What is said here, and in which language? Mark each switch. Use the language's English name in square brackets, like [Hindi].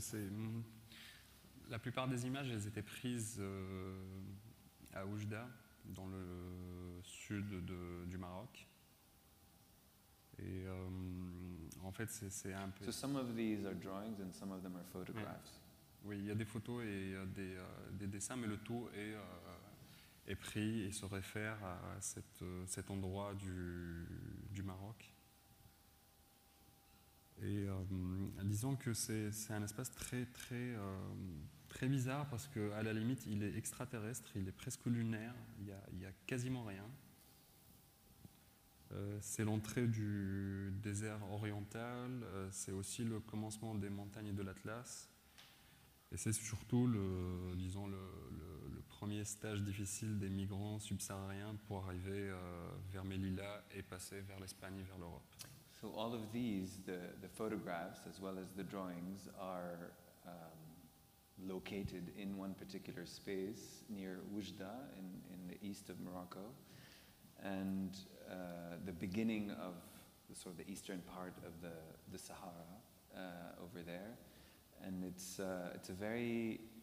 [French] C'est la plupart des images, elles étaient prises à Oujda, dans le sud du Maroc. Et en fait, c'est un peu. [English] So some of these are drawings and some of them are photographs. [French] Oui, il y a des photos et des dessins, mais le tout est pris et se réfère à cet endroit du Maroc. Et disons que c'est un espace très très très bizarre parce que à la limite il est extraterrestre, il est presque lunaire, il y a quasiment rien. C'est l'entrée du désert oriental, c'est aussi le commencement des montagnes de l'Atlas, et c'est surtout le premier stage difficile des migrants subsahariens pour arriver vers Melilla et passer vers l'Espagne et vers l'Europe. [English] So all of these, the photographs as well as the drawings, are located in one particular space near Oujda in the east of Morocco, and the beginning of the sort of the eastern part of the Sahara over there, and it's a very